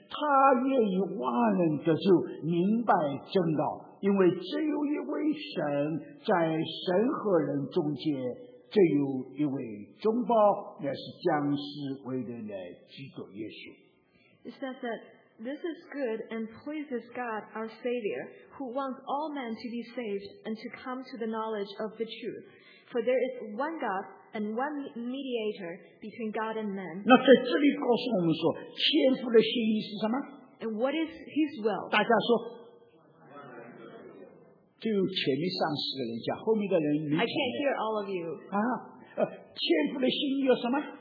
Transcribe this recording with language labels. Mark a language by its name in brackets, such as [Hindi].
[Chinese] 他愿意万人得救，明白真道，因为只有一位神，在神和人中间，只有一位中保，那是将士为人的基督耶稣。 [English] It says that this is good and pleases God our Savior, who wants all men to be saved and to come to the knowledge of the truth. For there is one God. And one mediator between God and man. [Chinese] 那在这里告诉我们说，天父的心意是什么 [English] ？And what is His will? [Chinese] 大家说，就前面上十个人讲，后面的人没讲。 [English] I can't hear all of you. [Chinese] 啊，天父的心意有什么